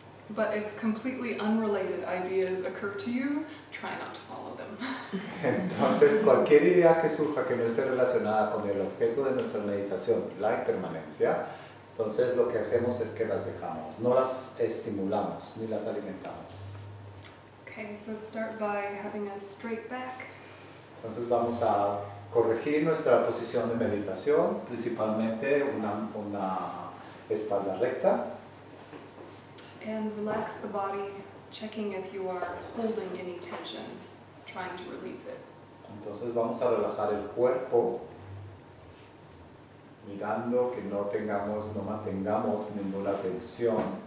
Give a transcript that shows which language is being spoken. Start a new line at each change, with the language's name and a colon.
English: But if completely unrelated ideas occur to you, try not to follow them.
Spanish: Entonces, cualquier idea que surja que no esté relacionada con el objeto de nuestra meditación, la impermanencia, entonces lo que hacemos es que las dejamos, no las estimulamos ni las alimentamos.
English: Okay, so start by having a straight back.
Spanish: Entonces vamos a corregir nuestra posición de meditación, principalmente una espalda recta.
English: And relax the body, checking if you are holding any tension, trying to release it.
Spanish: Entonces vamos a relajar el cuerpo, mirando que no mantengamos ninguna tensión.